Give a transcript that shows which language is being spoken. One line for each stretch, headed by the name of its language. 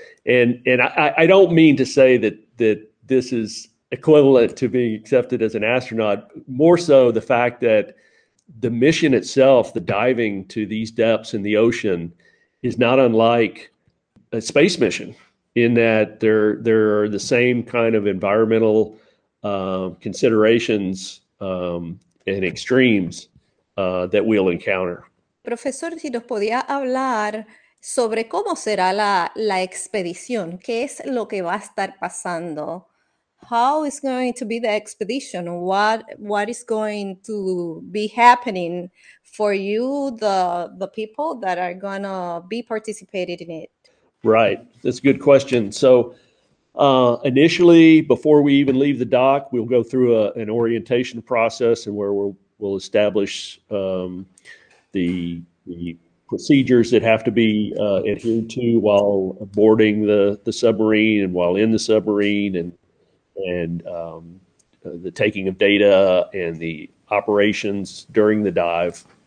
English: And I don't mean to say that this is equivalent to being accepted as an astronaut, more so the fact that the mission itself, the diving to these depths in the ocean, is not unlike a space mission, in that there are the same kind of environmental considerations and extremes that we'll encounter.
Spanish: Profesor, si nos podía hablar sobre cómo será la expedición, qué es lo que va a estar pasando.
English: How is going to be the expedition? What is going to be happening for you, the people that are gonna be participated in it? Right. That's a good question. So, initially, before we even leave the dock, we'll go through an orientation process and where we'll establish the procedures that have to be adhered to while boarding the submarine and while in the submarine and the taking of data and the operations during the dive.